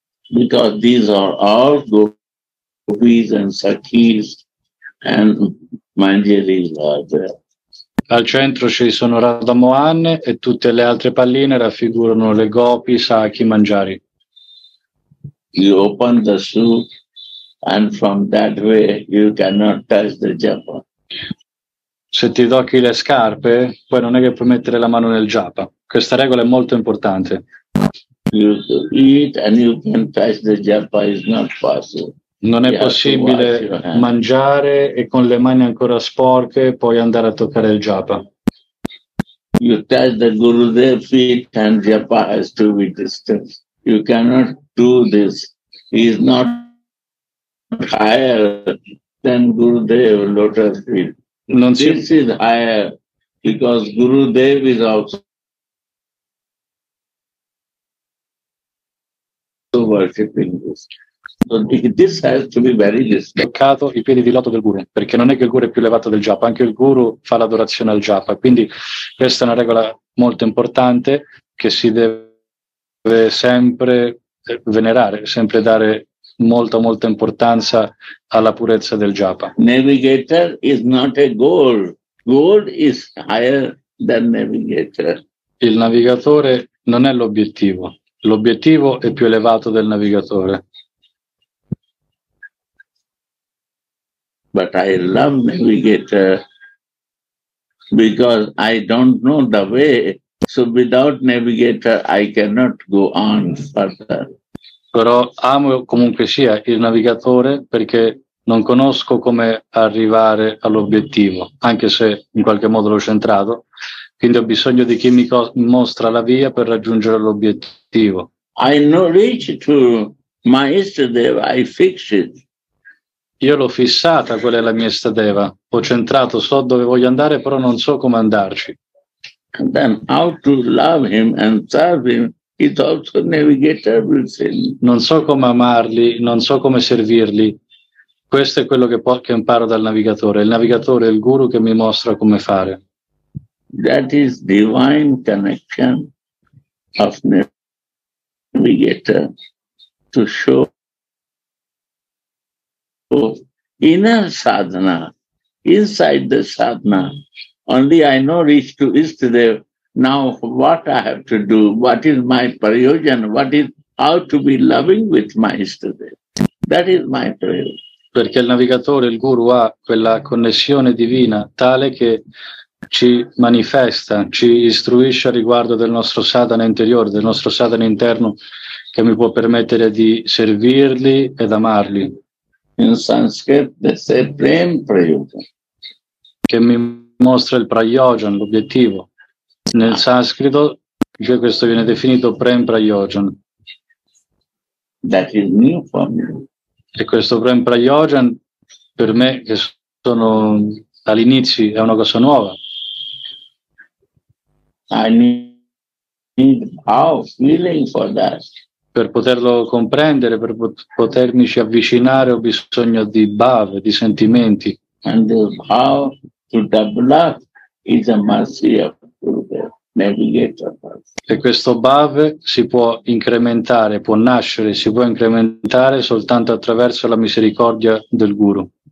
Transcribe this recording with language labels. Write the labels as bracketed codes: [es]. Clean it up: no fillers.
[en] Because these are all gopis and sakis and manjaris are there. [it] Al centro ci sono Radha Mohan e tutte le altre palline raffigurano le gopi, sakhi, manjari. [en] You open the soup and from that way you cannot touch the japa. [it] Se ti tocchi le scarpe, poi non è che puoi mettere la mano nel japa. Questa regola è molto importante. [en] You eat and you can touch the japa is not possible. [it] Non è possibile mangiare e con le mani ancora sporche poi andare a toccare il japa. [en] You touch the Gurudev's feet and japa has to be distant. You cannot do this. He is not higher than Gurudev lotus feet. [it] Non si... [en] This is higher because Gurudev is also worshipping this. This has to be very distant. [it] Toccato i piedi di loto del guru, perché non è che il guru è più elevato del japa, anche il guru fa l'adorazione al japa, quindi questa è una regola molto importante che si deve sempre venerare, sempre dare molta molta importanza alla purezza del japa. [en] Navigator is not a goal. Goal is higher than navigator. [it] Il navigatore non è l'obiettivo, l'obiettivo è più elevato del navigatore. [en] But I love navigator because I don't know the way. So without navigator, I cannot go on further. [it] però amo comunque sia il navigatore, perché non conosco come arrivare all'obiettivo, anche se in qualche modo l'ho centrato, quindi ho bisogno di chi mi mostra la via per raggiungere l'obiettivo. [en] I no reach to my Istadeva, I fix it. [it] Io l'ho fissata, quella è la mia Istadeva, ho centrato, so dove voglio andare, però non so come andarci. [en] And then how to love him and serve him. It's also navigator within. [it] Non so come amarli, non so come servirli. Questo è quello che imparo dal navigatore. Il navigatore è il guru che mi mostra come fare. [en] That is divine connection of navigator to show inner sadhana, inside the sadhana. Only I know reach to Istadeva. Now what I have to do, what is my prayojan, what is how to be loving with my Istadeva. That is my prayer. [it] Perché il navigatore, il guru, ha quella connessione divina tale che ci manifesta, ci istruisce a riguardo del nostro sadhana interiore, del nostro sadhana interno, che mi può permettere di servirli ed amarli. [en] In Sanskrit they say prem prayojan. [it] Che mi mostra il prayojan, l'obiettivo. Nel sanscrito questo viene definito prem prayojan. [en] That is new for me. [it] E questo prem prayojan per me, che sono all'inizio, è una cosa nuova. [en] I need our feeling for that. [it] Per poterlo comprendere, per potermici avvicinare, ho bisogno di bhav, di sentimenti. [en] And how to double up is a mercy of navigator. [it] E questo bhav si può incrementare, può nascere, si può incrementare soltanto attraverso la misericordia del guru.